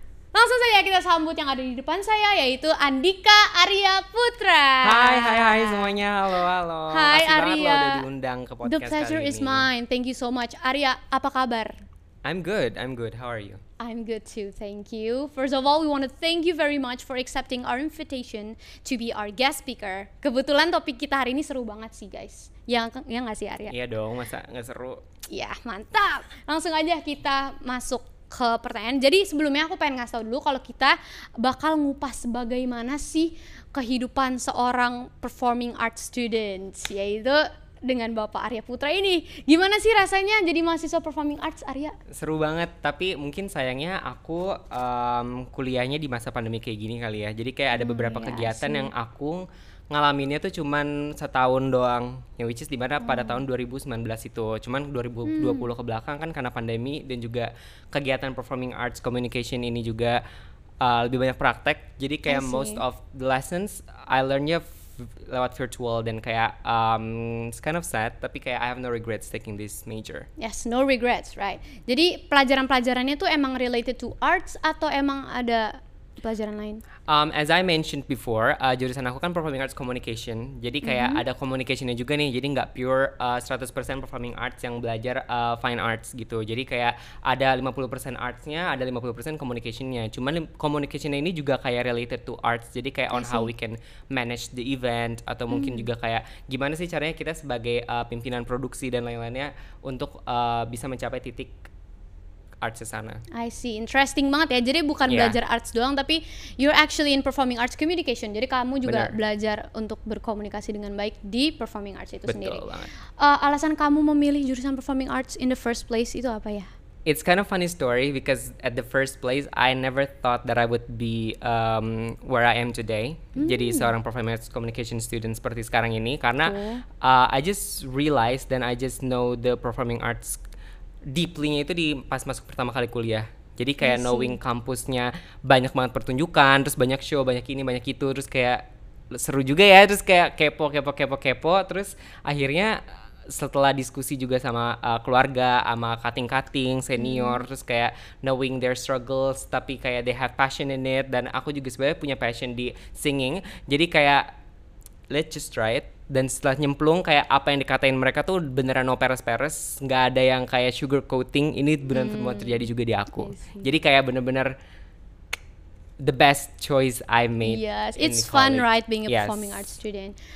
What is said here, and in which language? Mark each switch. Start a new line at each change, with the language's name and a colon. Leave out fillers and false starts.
Indonesian: Langsung saja kita sambut yang ada di depan saya, yaitu Andika Arya Putra. Hai semuanya, halo. Hai Arya. Makasih banget lo udah diundang ke podcast kali ini.
English: The pleasure is mine, thank you so much.
Indonesian: Arya, apa kabar?
English: I'm good, how are you? I'm good too, thank you. First of all, we want to thank you very much for accepting our invitation to be our guest speaker.
Indonesian: Kebetulan topik kita hari ini seru banget sih guys. Yang gak sih Arya? Iya dong, masa gak seru? Iya, mantap. Langsung aja kita masuk ke pertanyaan. Jadi sebelumnya aku pengen ngasih tau dulu kalau kita bakal ngupas bagaimana sih kehidupan seorang performing arts student, yaitu dengan Bapak Arya Putra ini. Gimana sih rasanya jadi mahasiswa Performing Arts, Arya? Seru banget, tapi mungkin sayangnya aku kuliahnya di masa pandemi kayak gini kali ya. Jadi kayak ada beberapa kegiatan yang aku ngalaminnya tuh cuman setahun doang. Yang
English: which is
Indonesian: dimana pada tahun 2019 itu. Cuman 2020 ke belakang kan karena pandemi dan juga kegiatan Performing Arts Communication ini juga lebih banyak praktek. Jadi kayak
English: most of the lessons I learn-nya
Indonesian: lewat virtual dan kayak
English: it's kind of sad,
Indonesian: tapi kayak
English: I have no regrets taking this major. Yes, no regrets, right.
Indonesian: Jadi pelajaran-pelajarannya tuh emang
English: related to arts
Indonesian: atau emang ada pelajaran lain?
English: As I mentioned before,
Indonesian: jurusan aku kan
English: Performing Arts Communication.
Indonesian: Jadi kayak ada communication-nya juga nih. Jadi gak pure 100% Performing Arts yang belajar Fine Arts gitu. Jadi kayak ada 50% arts-nya, ada 50% communication-nya. Cuman communication-nya ini juga kayak related to arts. Jadi kayak
English: on how we can manage the event.
Indonesian: Atau mungkin juga kayak gimana sih caranya kita sebagai pimpinan produksi dan lain-lainnya untuk bisa mencapai titik arts sana.
English: I see, interesting
Indonesian: banget ya. Jadi bukan belajar arts doang, tapi
English: you're actually in performing arts communication.
Indonesian: Jadi kamu juga belajar untuk berkomunikasi dengan baik di performing arts itu sendiri. Betul banget. Alasan kamu memilih jurusan performing arts
English: in the first place
Indonesian: itu apa ya?
English: It's kind of funny story because at the first place I never thought that I would be where I am today.
Indonesian: Jadi seorang performing arts communication student seperti sekarang ini. Karena
English: I just realized and I just know the performing arts deeply-
Indonesian: nya itu di pas masuk pertama kali kuliah. Jadi kayak knowing kampusnya banyak banget pertunjukan, terus banyak show, banyak ini, banyak itu, terus kayak seru juga ya, terus kayak kepo, terus akhirnya setelah diskusi juga sama keluarga, sama kating-kating, senior, terus kayak
English: knowing their struggles,
Indonesian: tapi kayak
English: they have passion in it,
Indonesian: dan aku juga sebenarnya punya passion di singing. Jadi kayak
English: let's just try it.
Indonesian: Dan setelah nyemplung, kayak apa yang dikatain mereka tuh beneran no peres-peres. Nggak ada yang kayak sugar coating, ini beneran semua terjadi juga di aku. Jadi kayak bener-bener
English: the best choice I made. Yes, it's fun, right, being a performing arts student.